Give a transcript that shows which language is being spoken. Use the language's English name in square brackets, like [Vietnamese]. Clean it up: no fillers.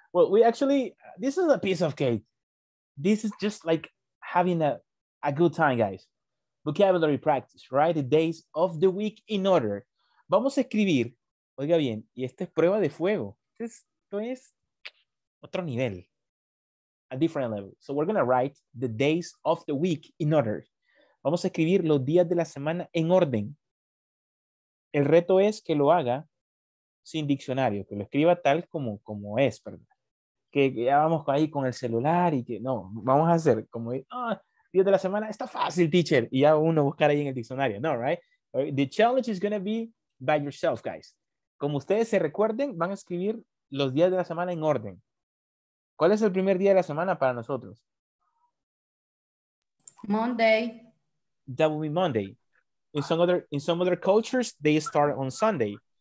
[English] Well, we actually, this is a piece of cake. This is just like having a good time, guys. Vocabulary practice, write the days of the week in order. [Spanish] Vamos a escribir, oiga bien, y esta es prueba de fuego. Esto es otro nivel, [English] a different level. So we're going to write the days of the week in order. [Spanish] Vamos a escribir los días de la semana en orden. El reto es que lo haga sin diccionario, que lo escriba tal como es, ¿verdad? Que ya vamos ahí con el celular y que no, vamos a hacer como, días de la semana, está fácil, teacher, y ya uno buscar ahí en el diccionario, no, right? [English] The challenge is going to be by yourself, guys. [Spanish] Como ustedes se recuerden, van a escribir los días de la semana en orden. ¿Cuál es el primer día de la semana para nosotros? [English] Monday. That will be Monday. In some other cultures, they start on Sunday.